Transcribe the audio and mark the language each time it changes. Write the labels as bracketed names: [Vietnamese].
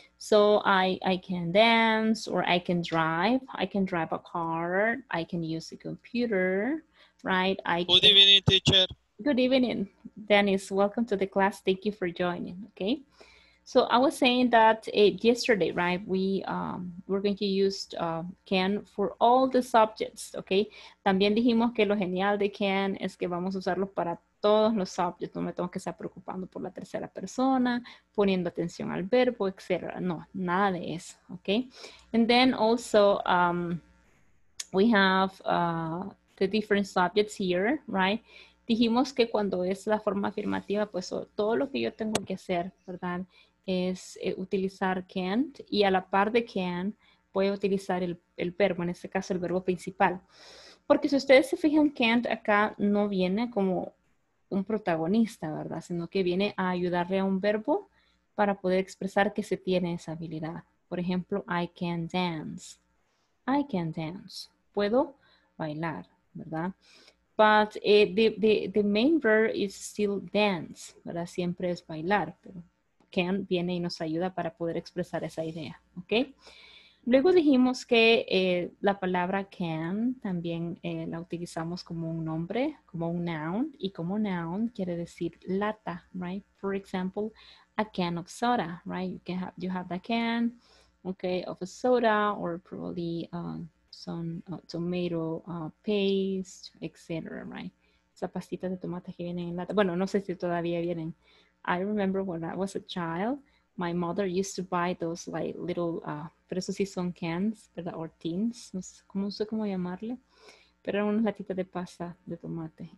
[English] So I can dance, or I can drive a car, I can use a computer, right? Good evening, teacher. Good evening, Dennis. Welcome to the class. Thank you for joining, okay? So I was saying that yesterday, right, we're going to use can for all the subjects, okay? [Spanish] También dijimos que lo genial de can es que vamos a usarlo para todos los subjects, no me tengo que estar preocupando por la tercera persona, poniendo atención al verbo, etc. No, nada de eso, ¿ok? [English] And then also, we have the different subjects here, right? [Spanish] Dijimos que cuando es la forma afirmativa, pues todo lo que yo tengo que hacer, ¿verdad? Es utilizar can't, y a la par de can, voy a utilizar el verbo, en este caso el verbo principal. Porque si ustedes se fijan, can't acá no viene como un protagonista, ¿verdad? Sino que viene a ayudarle a un verbo para poder expresar que se tiene esa habilidad. Por ejemplo, [English] I can dance. I can dance. [Spanish] Puedo bailar, ¿verdad? [English] But the main verb is still dance, ¿verdad? [Spanish] Siempre es bailar, pero can viene y nos ayuda para poder expresar esa idea, ¿ok? Luego dijimos que la palabra can también la utilizamos como un nombre, como un noun, y como noun quiere decir lata, right? [English] For example, a can of soda, right? You have the can, okay, of a soda, or probably some tomato paste, etc., right? [Spanish] Esa pastita de tomate que viene en lata. Bueno, no sé si todavía vienen. [English] I remember when I was a child, my mother used to buy those like little, [Spanish] pero eso sí son cans, ¿verdad? [English] Or tins, [Spanish] no sé cómo llamarle, pero eran unas latitas de pasta de tomate.